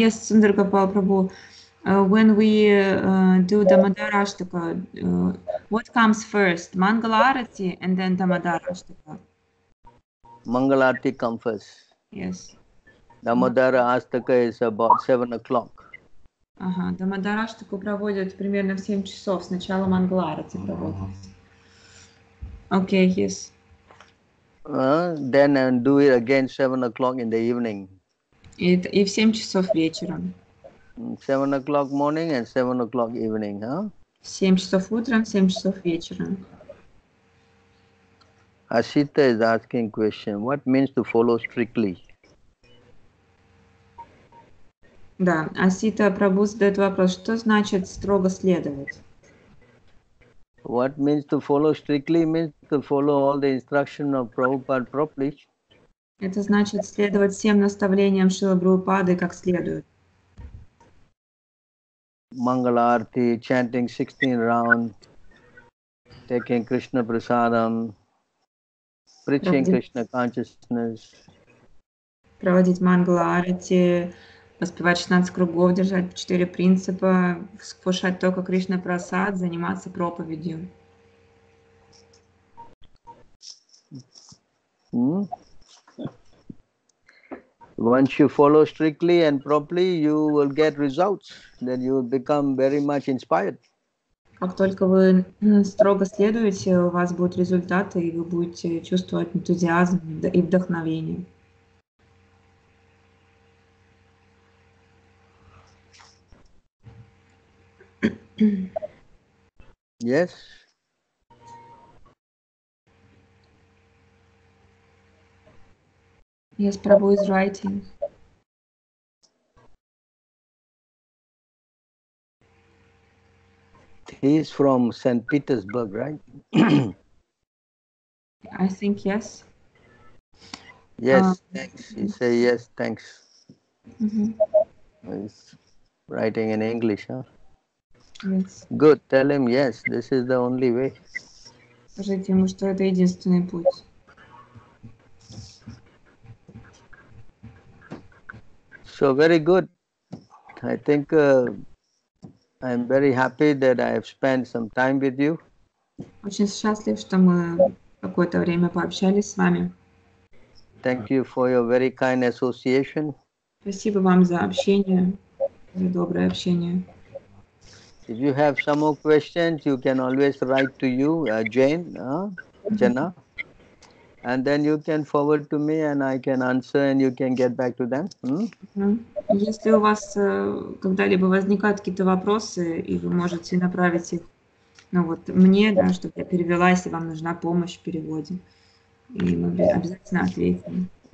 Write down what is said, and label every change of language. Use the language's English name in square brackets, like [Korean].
[English] Yes, Сундар Гопал Прабху. When we do Дамодара Аштака, what comes first, Mangala Arati and then Дамодара Аштака? Mangala Arati comes first. Yes. Дамодара Аштака is about 7 o'clock. [Russian] Ага, Дамодара Аштаку проводят примерно в 7 часов, сначала Mangala Arati проводят. [English] Okay, yes. Then do it again 7 o'clock in the evening. [Russian] И в 7 часов вечером. [English] 7 o'clock morning and 7 o'clock evening, huh? [Russian] 7 часов утром, 7 часов вечером. [English] Ashita is asking question. What means to follow strictly? [Russian] Да, Ashita Prabhu задает вопрос, что значит строго следовать? [English] What means to follow strictly means to follow all the instruction of Prabhupada properly. [Russian] Это значит следовать всем наставлениям Шрилы Прабхупады как следует. [English] Mangala Arati, chanting 16 rounds, taking Krishna Prasadam, preaching Krishna consciousness. [Russian] Проводить Mangala Arati, воспевать 16 кругов, держать 4 принципа, вкушать только Krishna Prasad, заниматься проповедью. [English] Once you follow strictly and properly, you will get results. Then you will become very much inspired. [Russian] Как только вы строго следуете, у вас будут результаты, и вы будете чувствовать энтузиазм и вдохновение. [English] Yes. Yes, Prabhu is writing. He is from St. Petersburg, right? I think yes. Yes, thanks. He say yes, thanks. Mm-hmm. He's writing in English, huh? Yes. Good, tell him yes. This is the only way. [Russian] Скажите ему, что это единственный путь. [English] So very good. I think I'm very happy that I have spent some time with you. [Russian] Очень счастлив, что мы какое-то время пообщались с вами. [English] Thank you for your very kind association. [Russian] Спасибо вам за общение, за доброе общение. [English] If you have some more questions, you can always write to you, Jane, Jenna, and then you can forward to me, and I can answer, and you can get back to them. [Russian] Если у вас когда-либо возникают какие-то вопросы, и вы можете направить их, ну вот мне, да, чтобы я перевела, если вам нужна помощь в переводе, и мы обязательно ответим.